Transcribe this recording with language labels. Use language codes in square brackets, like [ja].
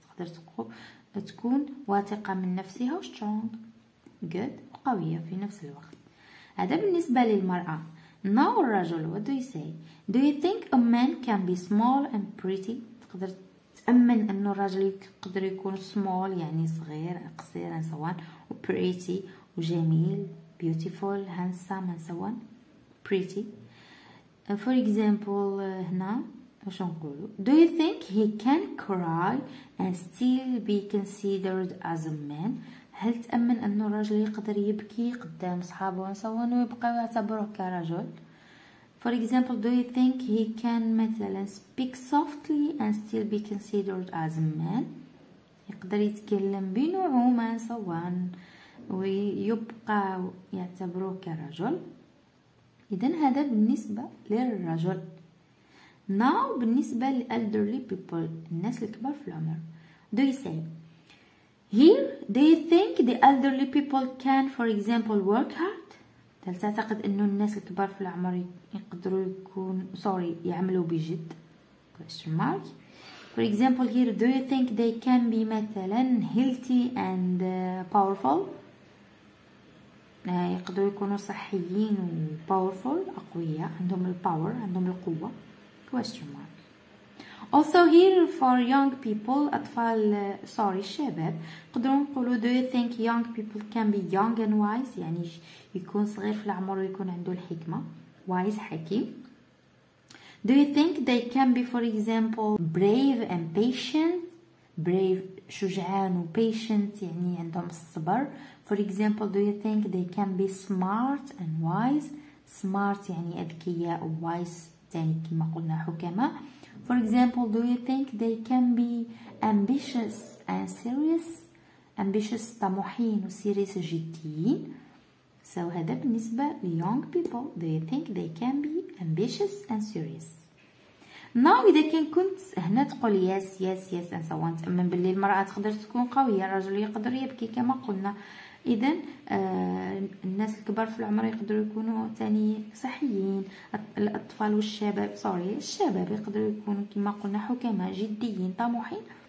[ar] تقدر تكون واثقة من نفسها و [en] strong good [ar] وقوية في نفس الوقت. هذا بالنسبة للمرأة. [en] Now الرجل, what do you say? Do you think a man can be small and pretty? [ar] تقدر تأمن أن الرجل يقدر يكون [en] small [ar] يعني صغير قصير [en] and so on, [ar] و [en] pretty [ar] وجميل [en] beautiful handsome and so on pretty. For example [ar] هنا واش نقولوا؟ [en] Do you think he can cry and still be considered as a man? [ar] هل تأمن أن الرجل يقدر يبكي قدام صحابه ونسوان ويبقى يعتبره كرجل؟ [en] For example, do you think he can مثلا speak softly and still be considered as a man? [ar] يقدر يتكلم بنعومة ونسوان ويبقى يعتبره كرجل؟ إذن هذا بالنسبة للرجل. Now بالنسبة للألدرلي بيبول الناس الكبار في العمر. [en] Do you say here do you think the elderly people can for example work hard? [ar] هل تعتقد إنه الناس الكبار في العمر يقدروا يكون [en] sorry [ar] يعملوا بجد؟ [en] Question mark. For example here do you think they can be مثلا healthy and powerful? [ar] يقدروا يكونوا صحيين و [en] powerful [ar] أقوياء عندهم الباور عندهم القوة. [en] Question mark. Also here for young people, [ar] أطفال [en] sorry [ar] شباب قدروا نقولوا [en] do you think young people can be young and wise [ar] يعني يكون صغير في العمر ويكون عنده الحكمة [en] wise [ar] حكيم. [en] Do you think they can be for example brave and patient? Brave [ar] شجعان و [en] patient [ar] يعني عندهم الصبر. [en] For example do you think they can be smart and wise? Smart [ar] يعني أذكياء و [en] wise [ar] يعني كما قلنا حكمة. [en] For example, do you think they can be ambitious and serious? Ambitious [ar] طموحين و [en] serious [ar] جديين. So هذا بالنسبة ل [en] young people. Do you think they can be ambitious and serious? [ar] Now إذا كان كنت هنا تقول [en] yes yes yes and so on [ar] تأمن باللي المرأة تقدر تكون قوية الرجل يقدر يبكي كما قلنا. إذن الناس الكبار في العمر يقدروا يكونوا تاني صحيين الأطفال والشباب [en] sorry [ar] الشباب يقدروا يكونوا كما قلنا حكماء جديين طموحين.